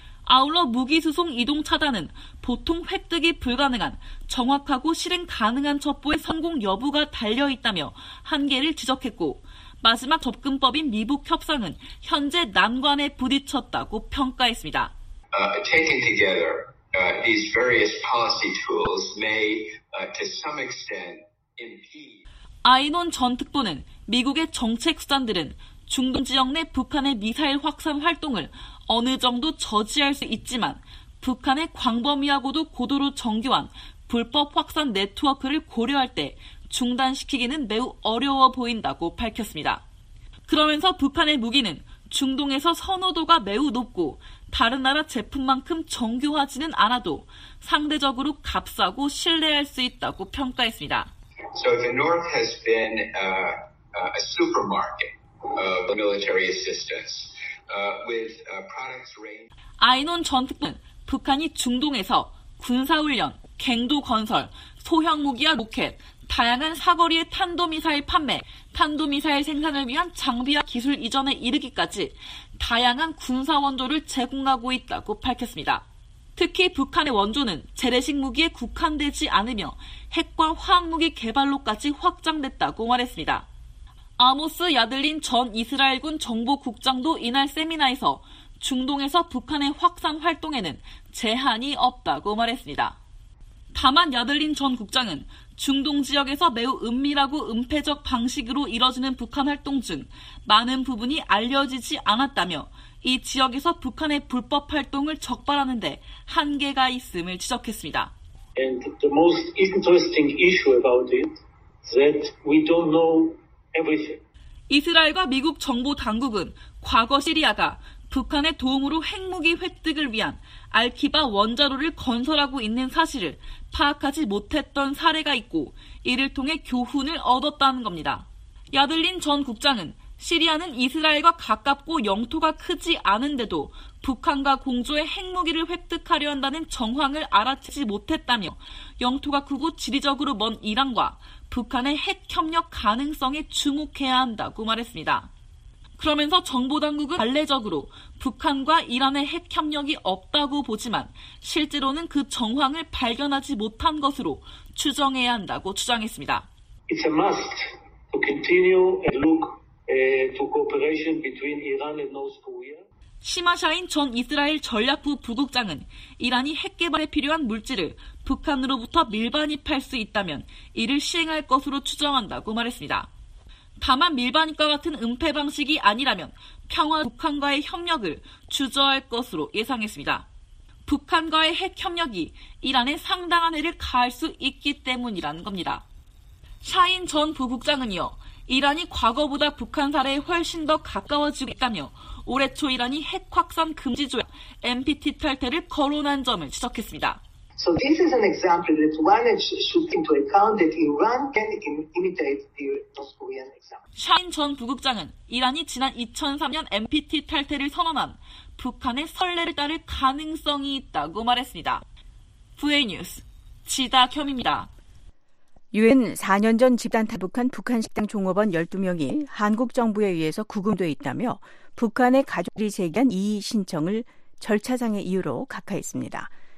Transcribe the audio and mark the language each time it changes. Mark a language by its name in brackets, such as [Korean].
[Korean] 아울러 무기 수송 이동 차단은 보통 획득이 불가능한 정확하고 실행 가능한 첩보의 성공 여부가 달려있다며 한계를 지적했고 마지막 접근법인 미북 협상은 현재 난관에 부딪혔다고 평가했습니다. [English] Taking together these various policy tools may to some extent impede. [Korean] 아이논 전 특보는 미국의 정책 수단들은 중동 지역 내 북한의 미사일 확산 활동을 어느 정도 저지할 수 있지만 북한의 광범위하고도 고도로 정교한 불법 확산 네트워크를 고려할 때 중단시키기는 매우 어려워 보인다고 밝혔습니다. 그러면서 북한의 무기는 중동에서 선호도가 매우 높고 다른 나라 제품만큼 정교하지는 않아도 상대적으로 값싸고 신뢰할 수 있다고 평가했습니다. [English] So the North has been a supermarket of military assistance with products range. [Korean] 아이논 전 특보는 북한이 중동에서 군사훈련, 갱도 건설, 소형 무기와 로켓, 다양한 사거리의 탄도미사일 판매, 탄도미사일 생산을 위한 장비와 기술 이전에 이르기까지 다양한 군사 원조를 제공하고 있다고 밝혔습니다. 특히 북한의 원조는 재래식 무기에 국한되지 않으며 핵과 화학무기 개발로까지 확장됐다고 말했습니다. 아모스 야들린 전 이스라엘군 정보국장도 이날 세미나에서 중동에서 북한의 확산 활동에는 제한이 없다고 말했습니다. 다만 야들린 전 국장은 중동 지역에서 매우 은밀하고 은폐적 방식으로 이뤄지는 북한 활동 중 많은 부분이 알려지지 않았다며 이 지역에서 북한의 불법 활동을 적발하는 데 한계가 있음을 지적했습니다. [English] And the most interesting issue about it that we don't know everything. [Korean] 이스라엘과 미국 정보 당국은 과거 시리아가 북한의 도움으로 핵무기 획득을 위한 알키바 원자로를 건설하고 있는 사실을 파악하지 못했던 사례가 있고 이를 통해 교훈을 얻었다는 겁니다. 야들린 전 국장은 시리아는 이스라엘과 가깝고 영토가 크지 않은데도 북한과 공조해 핵무기를 획득하려 한다는 정황을 알아채지 못했다며 영토가 크고 지리적으로 먼 이란과 북한의 핵협력 가능성에 주목해야 한다고 말했습니다. 그러면서 정보당국은 관례적으로 북한과 이란의 핵협력이 없다고 보지만 실제로는 그 정황을 발견하지 못한 것으로 추정해야 한다고 주장했습니다. [English] It's a must to continue and look to cooperation between Iran and North Korea. [Korean] 시마샤인 전 이스라엘 전략부 부국장은 이란이 핵 개발에 필요한 물질을 북한으로부터 밀반입할 수 있다면 이를 시행할 것으로 추정한다고 말했습니다. 다만 밀반입과 같은 은폐 방식이 아니라면 평화 북한과의 협력을 주저할 것으로 예상했습니다. 북한과의 핵 협력이 이란에 상당한 해를 가할 수 있기 때문이라는 겁니다. 샤인 전 부국장은 이어 이란이 과거보다 북한 사례에 훨씬 더 가까워지고 있다며 올해 초 이란이 핵 확산 금지 조약 NPT 탈퇴를 거론한 점을 지적했습니다. [English] So this is an example that one should take into account that Iran can imitate the North Korean example. [Korean] 샤인 전 부국장은 이란이 지난 2003년 NPT 탈퇴를 선언한 북한의 선례를 따를 가능성이 있다고 말했습니다. VA 뉴스 지다겸입니다. 유엔 4년 전 집단 탈북한 북한 식당 종업원 12명이 한국 정부에 의해서 구금돼 있다며 북한의 가족들이 제기한 이의 신청을 절차상의 이유로 각하했습니다.